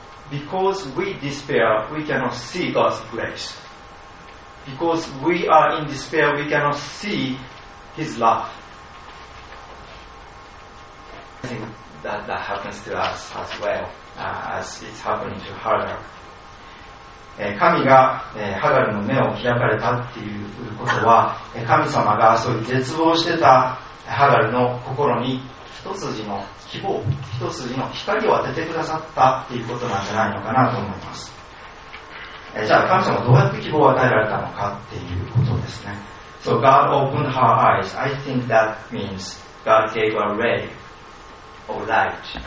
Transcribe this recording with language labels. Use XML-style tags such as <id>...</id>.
<en>Because we despair, we cannot see God's grace. Because we are in despair, we cannot see His love. I think that happens to us as well. As it's happening to Hagar.</en> <ja>神が、ハガルの目を開かれたということは、神様がそういう絶望してたハガルの心に一筋の希望、一筋の光を当ててくださったということなんじゃないのかなと思います。じゃあ神様はどうやって希望を与えられたのかということですね。</ja> <en>So God opened her eyes. I think that means God gave a ray of light.</en>